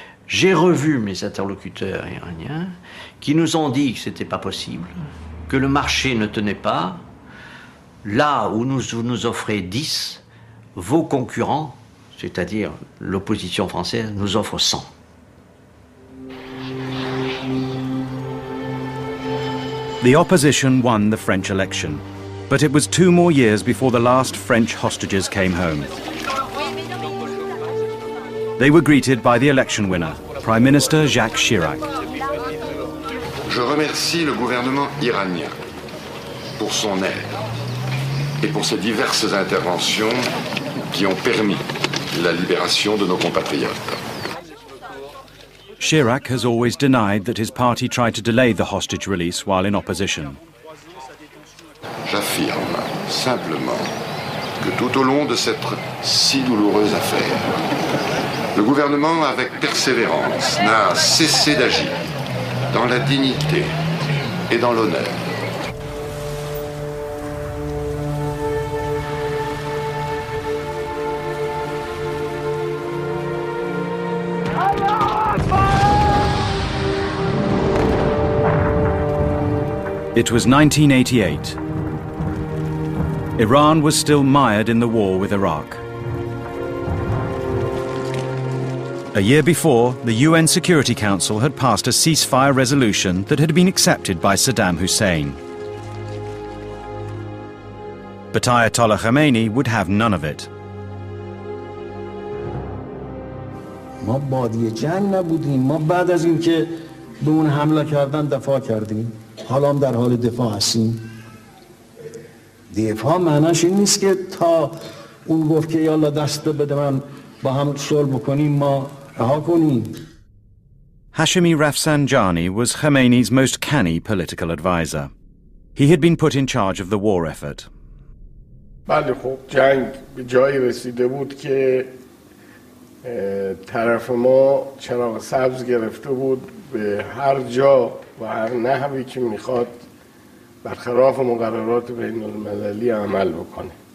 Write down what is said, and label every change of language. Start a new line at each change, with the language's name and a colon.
French: J'ai revu mes interlocuteurs iraniens qui nous ont dit que c'était pas possible, que le marché ne tenait pas. Là où nous offrez 10, vos concurrents, c'est-à-dire l'opposition française, nous offrent 100.
English: The opposition won the French election, but it was 2 more years before the last French hostages came home. They were greeted by the election winner, Prime Minister Jacques Chirac.
French: Je remercie le gouvernement iranien pour son aide et pour ses diverses interventions qui ont permis la libération de nos compatriotes.
English: Chirac has always denied that his party tried to delay the hostage release while in opposition.
French: J'affirme simplement que tout au long de cette si douloureuse affaire, le gouvernement, avec persévérance, n'a cessé d'agir dans la dignité et dans l'honneur.
English: It was 1988. Iran was still mired in the war with Iraq. A year before, the UN Security Council had passed a ceasefire resolution that had been accepted by Saddam Hussein. But Ayatollah Khomeini would have none of it. We were not a war. We fought after the attack.
Persian: حالا هم در حال دفاع هستیم. دفاع معناش این نیست که تا اون گفت که یالا دست بده من با هم صلح بکنیم ما رها کنیم.
English: Hashemi Rafsanjani was Khomeini's most canny political advisor. He had been put in charge of the war effort.
Persian: بله خب جنگ به جایی رسیده بود که طرف ما چراغ سبز گرفته بود به هر جا و هر نحوی که میخواد برخلاف مقررات بین المللی عمل بکنه.